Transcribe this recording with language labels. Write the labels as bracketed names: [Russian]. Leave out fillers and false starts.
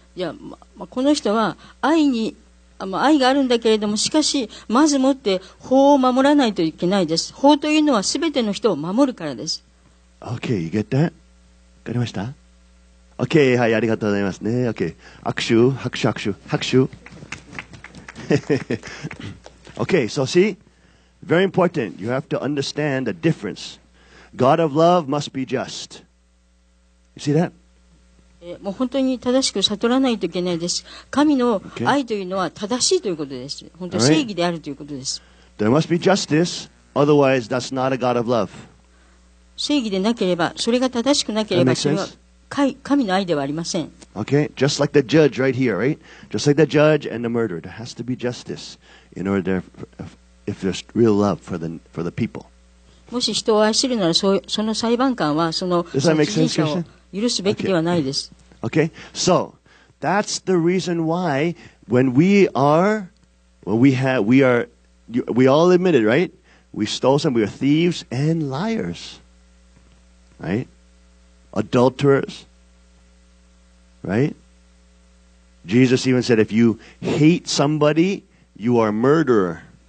[Japanese] いや、ま、この人は愛に、ま、愛があるんだけれども、しかし、まずもって法を守らないといけないです。法というのは全ての人を守るからです。 [English] Okay, you get that? [Japanese] わかりました? OK, はい、ありがとうございますね。 OK, 拍手。 [English] OK, so see, very important, you have to understand the difference. God of love must be just. You see that? [Japanese] もう本当に正しく悟らないといけないです。神の愛というのは正しいということです。本当に正義であるということです。 [English] There must be justice, otherwise that's not a God of love. [Japanese] 正義でなければ、それが正しくなければ、それは神の愛ではありません。 [English] Okay, just like the judge right here, right? Just like the judge and the murderer, there has to be justice in order for, if there's real love for the people. [Japanese] もし人を愛するなら、その裁判官はその殺人者を許すべきではないです。 [English] Okay, so that's the reason why when we all admitted, right? We stole some, we were thieves and liars, right? Adulterers, right? Jesus even said, if you hate somebody, you are a murderer.